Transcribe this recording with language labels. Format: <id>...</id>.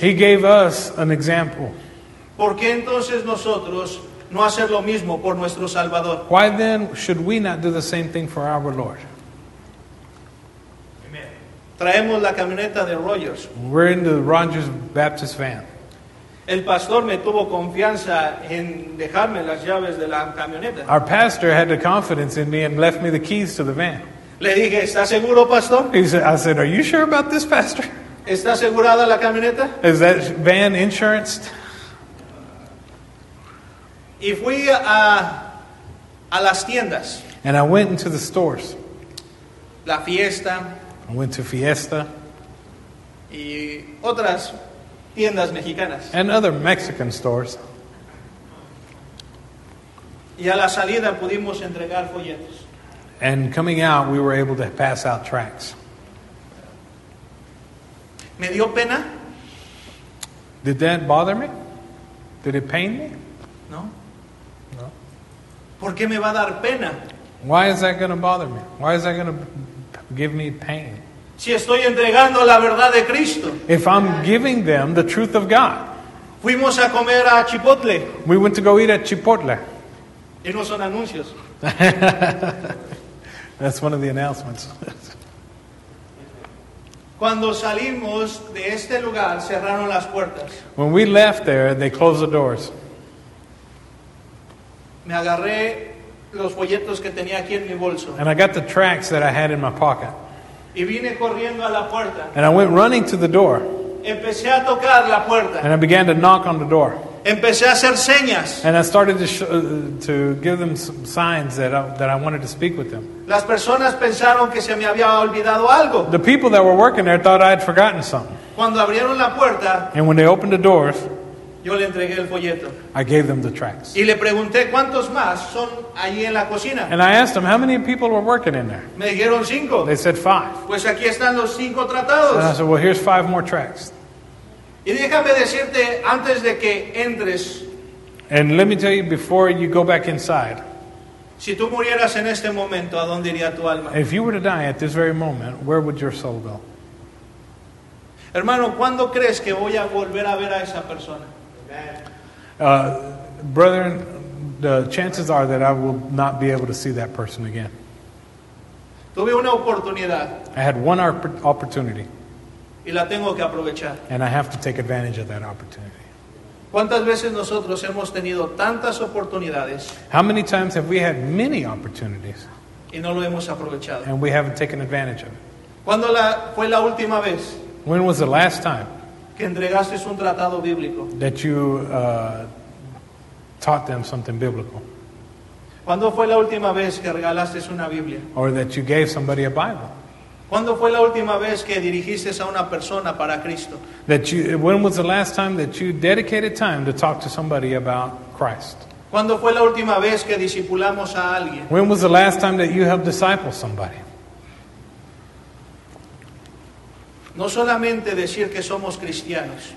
<en>He gave us an example.</en> <es>¿Por qué entonces nosotros no hacer lo mismo por nuestro Salvador?</es> <en>Why then should we not do the same thing for our Lord?</en> <es>Amen. Traemos la camioneta de Rogers.</es> <en>We're in the Rogers Baptist van.</en> <es>El pastor me tuvo confianza en dejarme las llaves de la camioneta.</es> <en>Our pastor had the confidence in me and left me the keys to the van.</en> <es>Le dije, ¿estás seguro, pastor?</es> <en>I said, are you sure about this, pastor?</en> <es>¿Está asegurada la camioneta?</es> <en>Is that van insuranced?</en> <es>Y fui a las tiendas.</es> <en>And I went into the stores.</en> <es>La fiesta.</es> <en>I went to Fiesta.</en> <es>Y otras tiendas mexicanas.</es> <en>And other Mexican stores.</en> <es>Y a la salida pudimos entregar folletos.</es> <en>And coming out, we were able to pass out tracts.</en> <es>Me dio pena.</es> <en>Did that bother me? Did it pain me?</en> <es>No. ¿Por qué me va a dar pena?</es> <en>Why is that going to bother me? Why is that going to give me pain?</en> <es>Si estoy entregando la verdad de Cristo.</es> <en>If I'm giving them the truth of God.</en> <es>Fuimos a comer a Chipotle.</es> <en>We went to go eat at Chipotle.</en> <es>Y no son anuncios.</es> <en>That's one of the announcements.</en> <es>Cuando salimos de este lugar, cerraron las puertas.</es> <en>When we left there, they closed the doors.</en> <es>Me agarré los folletos que tenía aquí en mi bolso.</es> <en>And I got the tracts that I had in my pocket.</en> <es>Y vine corriendo a la puerta.</es> <en>And I went running to the door.</en> <es>Empecé a tocar la puerta.</es> <en>And I began to knock on the door.</en> <es>Empecé a hacer señas.</es> <en>And I started to give them some signs that I wanted to speak with them.</en> <es>Las personas pensaron que se me había olvidado algo.</es> <en>The people that were working there thought I had forgotten something.</en> <es>Cuando abrieron la puerta.</es> <en>And when they opened the doors.</en> <es>Yo le entregué el folleto.</es> <en>I gave them the tracts.</en> <es>Y le pregunté cuántos más son allí en la cocina.</es> <en>And I asked them how many people were working in there.</en> <es>Me dijeron cinco.</es> <en>They said five.</en> <es>Pues aquí están los cinco tratados.</es> <en>And I said, well, here's five more tracts.</en> <es>Y déjame decirte antes de que entres.</es> <en>And let me tell you before you go back inside.</en> <es>Si tú murieras en este momento, ¿a dónde iría tu alma?</es> <en>If you were to die at this very moment, where would your soul go?</en> <es>Hermano, ¿cuándo crees que voy a volver a ver a esa persona?</es> <en>Brethren, the chances are that I will not be able to see that person again.</en> <es>Tuve una oportunidad.</es> <en>I had one opportunity.</en> <es>Y la tengo que aprovechar.</es> <en>And I have to take advantage of that opportunity.</en> <es>¿Cuántas veces nosotros hemos tenido tantas oportunidades?</es> <en>How many times have we had many opportunities?</en> <es>Y no lo hemos aprovechado.</es> <en>And we haven't taken advantage of it.</en> <es>¿Cuándo fue la última vez?</es> <en>When was the last time?</en> <es>Que entregaste un tratado bíblico.</es> <en>That you taught them something biblical.</en> <es>¿Cuándo fue la última vez que regalaste una Biblia?</es> <en>Or that you gave somebody a Bible.</en> <es>¿Cuándo fue la última vez que dirigiste a una persona para Cristo?</es> <en>When was the last time that you dedicated time to talk to somebody about Christ?</en> <es>¿Cuándo fue la última vez que discipulamos a alguien?</es> <en>When was the last time that you helped disciple somebody?</en> <es>No solamente decir que somos cristianos.</es>